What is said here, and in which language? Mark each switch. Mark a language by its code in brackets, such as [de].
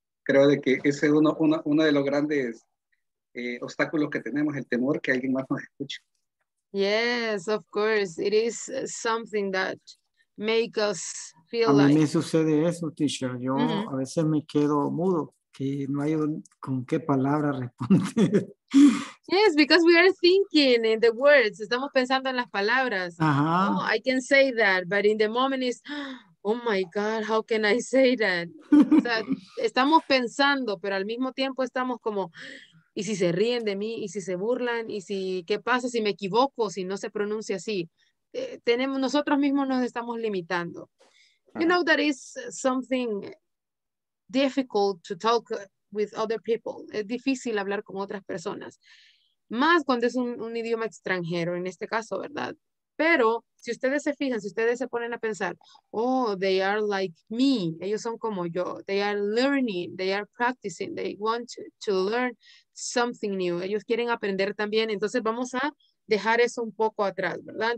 [es] Creo de que ese es uno de los grandes obstáculos que tenemos, el temor que alguien más nos escuche. [en] Yes, of course. It is something that makes us feel a like. [es] A mí me sucede eso, teacher. Yo mm-hmm. a veces me quedo mudo, que no hay con qué palabra responder. [en] Yes, because we are thinking in the words. [es] Estamos pensando en las palabras. Uh-huh. [en] Oh, I can say that, but in the moment is, oh my God, how can I say that? [es] O sea, estamos pensando, pero al mismo tiempo estamos como, ¿y si se ríen de mí? ¿Y si se burlan? ¿Y si qué pasa si me equivoco? Si no se pronuncia así. Tenemos, nosotros mismos nos estamos limitando. Uh-huh. [en] You know, that is something difficult to talk with other people. [es] Es difícil hablar con otras personas. Más cuando es un idioma extranjero, en este caso, ¿verdad? Pero si ustedes se fijan, si ustedes se ponen a pensar, oh, [en] they are like me, [es] ellos son como yo, [en] they are learning, they are practicing, they want to learn something new, [es] ellos quieren aprender también, entonces vamos a dejar eso un poco atrás, ¿verdad?